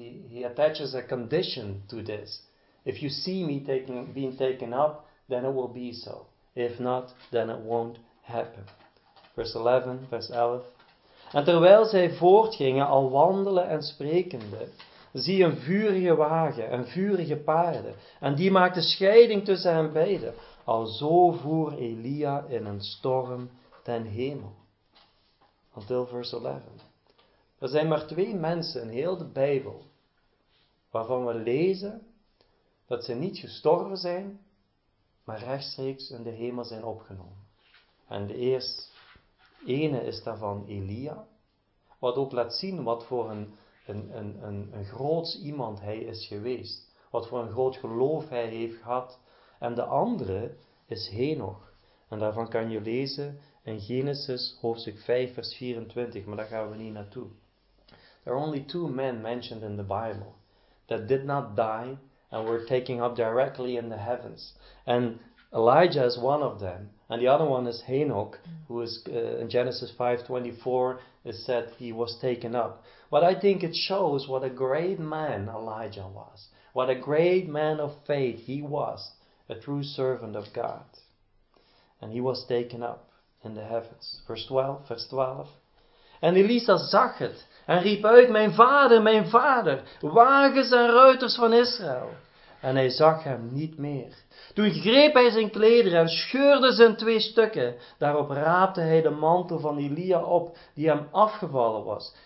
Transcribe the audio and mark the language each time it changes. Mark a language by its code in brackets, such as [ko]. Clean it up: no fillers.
[en] He attaches a condition to this. If you see me being taken up, then it will be so. If not, then it won't happen. Verse 11, verse 11. [nl] En terwijl zij voortgingen, al wandelen en sprekende, zie een vurige wagen en vurige paarden. En die maakte scheiding tussen hen beiden. Al zo voer Elia in een storm ten hemel. [en] Until verse 11. [nl] Er zijn maar twee mensen in heel de Bijbel waarvan we lezen dat ze niet gestorven zijn, maar rechtstreeks in de hemel zijn opgenomen. En de eerste ene is daarvan Elia, wat ook laat zien wat voor een groot iemand hij is geweest, wat voor een groot geloof hij heeft gehad. En de andere is Henoch. En daarvan kan je lezen in Genesis hoofdstuk 5 vers 24, maar daar gaan we niet naartoe. [en] There are only two men mentioned in the Bible that did not die and were taken up directly in the heavens. And Elijah is one of them. And the other one is Henoch, who is in Genesis 5:24 is said he was taken up. But I think it shows what a great man Elijah was. What a great man of faith he was. A true servant of God. And he was taken up in the heavens. Verse 12. And Elisha [nl] zag het. En riep uit, mijn vader, wagens en ruiters van Israël. En hij zag hem niet meer. Toen greep hij zijn klederen en scheurde ze in twee stukken. Daarop raapte hij de mantel van Elia op, die hem afgevallen was.